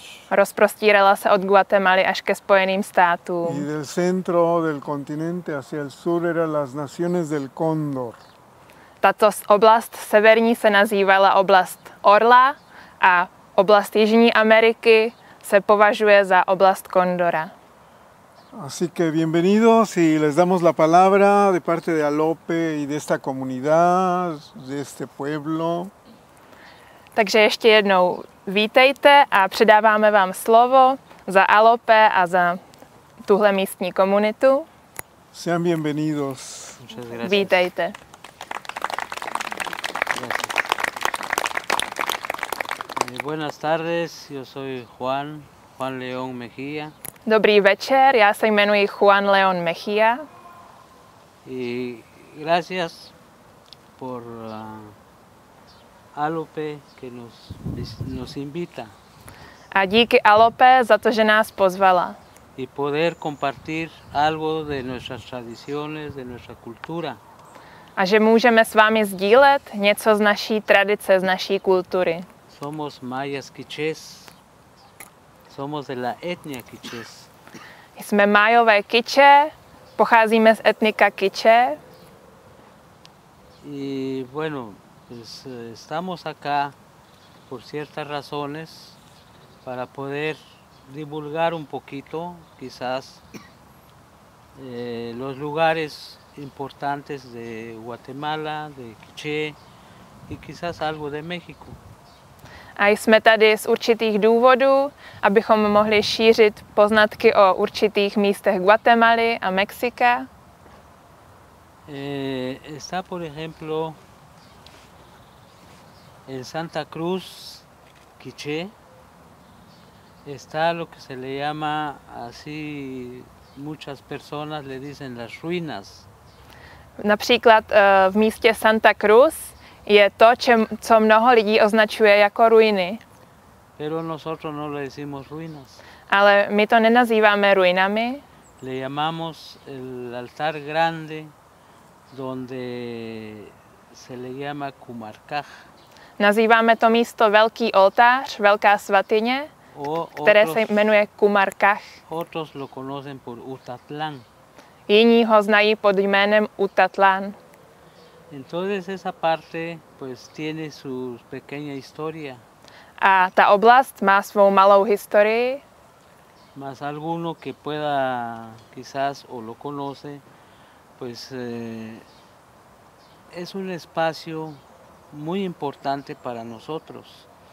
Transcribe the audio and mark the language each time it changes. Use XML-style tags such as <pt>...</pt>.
<cs>Rozprostírala se od Guatemaly až ke Spojeným státům.</cs> <es>Y del centro del continente hacia el sur eran las naciones del cóndor.</es> <cs>Tato oblast severní se nazývala oblast Orla a oblast Jižní Ameriky se považuje za oblast Kondora.</cs> <es>Así que bienvenidos y les damos la palabra de parte de Alope y de esta comunidad, de este pueblo.</es> <cs>Takže ještě jednou vítejte a předáváme vám slovo za Alope a za tuhle místní komunitu.</cs> <es>Sean bienvenidos.</es> <cs>Vítejte.</cs> <es>Buenas tardes, yo soy Juan León Mejía.</es> <cs>Dobrý večer, já se jmenuji Juan León Mejía.</cs> <es>Y gracias por Alope, que nos invita.</es> <cs>A díky Alope za to, že nás pozvala.</cs> <es>Y poder compartir algo de nuestras tradiciones, de nuestra cultura.</es> <cs>A že můžeme s vámi sdílet něco z naší tradice, z naší kultury.</cs> <es>Somos mayas quichés. Somos de la etnia quichés.</es> <cs>Jsme Mayové Kiché, pocházíme z etnika Kiché.</cs> <es>Y bueno, pues estamos acá por ciertas razones para poder divulgar un poquito quizás los lugares importantes de Guatemala, de Kiché y quizás algo de México.</es> <cs>A jsme tady z určitých důvodů, abychom mohli šířit poznatky o určitých místech Guatemaly a Mexika.</cs> <es>Está por ejemplo en Santa Cruz, Quiché, está lo que se le llama así, muchas personas le dicen las ruinas.</es> <cs>Například v místě Santa Cruz je to, co mnoho lidí označuje jako ruiny.</cs> <es>Pero nosotros no le decimos ruinas.</es> <cs>Ale my to nenazýváme ruinami.</cs> <es>Le llamamos el altar grande, donde se le llama Kumarkaj.</es> <cs>Nazýváme to místo velký oltář, velká svatyně, které se jmenuje Kumarkaj.</cs> <es>Otros lo conocen por Utatlán.</es> <cs>Jiní ho znají pod jménem Utatlán.</cs> <es>Entonces esa parte pues tiene su pequeña historia.</es> <cs>A ta oblast má svou malou historii.</cs> <es>Más alguno que pueda quizás o lo conoce, pues es un espacio muy importante para nosotros.</es>